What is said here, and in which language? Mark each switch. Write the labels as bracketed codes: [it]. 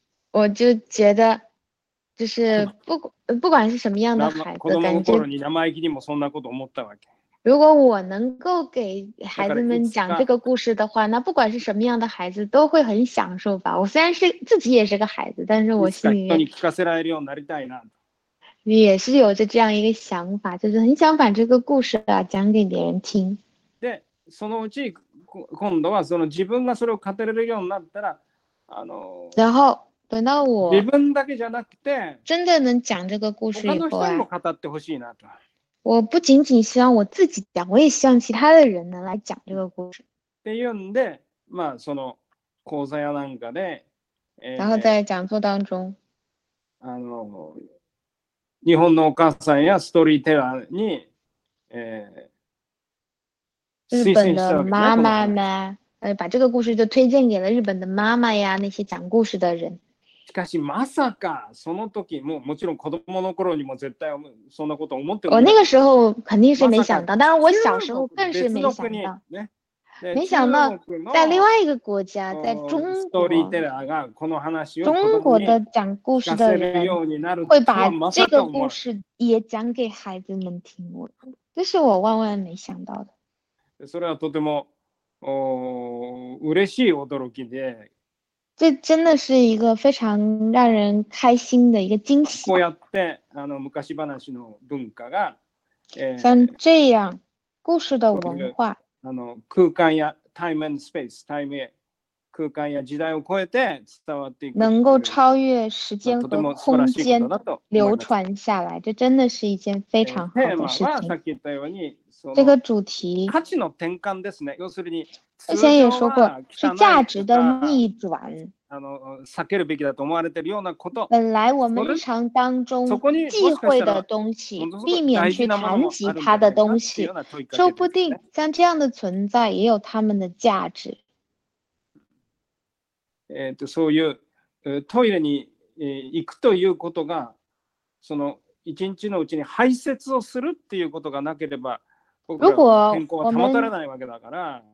[zh] 我就觉得就是不管是什么样的孩子， [ja] 子供心に生意気にもそんなこと思ったわけ。 [zh] 如果我能够给孩子们讲这个故事的话，那不管是什么样的孩子都会很享受吧。我虽然是自己也是个孩子，但是我心里面 [ja] 你聞かせられるようになりたいな。 [zh] 也是有着这样一个想法，就是很想把这个故事啊讲给别人听。 [ja] で、そのうち今度はその自分がそれを語れるようになったら、 [zh] 然后等到我 [ja] 自分だけじゃなくて [zh] 真的能讲这个故事以后啊， [ja] 他の人も語ってほしいなと。 [zh] 我不仅仅希望我自己讲，我也希望其他的人能来讲这个故事。 [ja] で読んで、まあその講座やなんかで、 [zh] 然后在讲座当中， [ja] 日本のお母さんやストーリーテラーに、 [zh] 日本的妈妈们，把这个故事就推荐给了日本的妈妈呀，那些讲故事的人。 [ja] しかしまさかその時ももちろん子どもの頃にも絶対そんなこと思ってない。 [zh] 我那个时候肯定是没想到，当然我小时候更是没想到。ね、没想到在另外一个国家，在中国。 [ja] ストーリーテラーがこの話を [zh] 中国的讲故事的人会把这个故事也讲给孩子们听，这是我万万没想到的。 [ja] それはとても嬉しい驚きで。 [zh] 这真的是一个非常让人开心的一个惊喜。 [ja] こうやって昔話の文化が、 [zh] 像这样故事的文化、 [ja] 空間や [en] time and space、 [ja] time や空間や時代を超えて伝わっていく、 [zh] 能够超越时间和空间流传下来、这真的是一件非常好的事情。 [ja] テーマはさっき言ったように、 [zh] 这个主题 [ja] 価値の転換ですね。要するに。 [zh] 之前也说过是价值的逆转， [ja] 避けるべきだと思われているようなこと。 [zh] 本来我们日常当中忌讳的东西，避免去谈及它的东西，说不定像这样的存在也有他们的价值。 [ja] そういうトイレに行くということが、その一日のうちに排泄をするっていうことがなければ、 [zh] 如果 [ja] 健康は保たれないわけだから。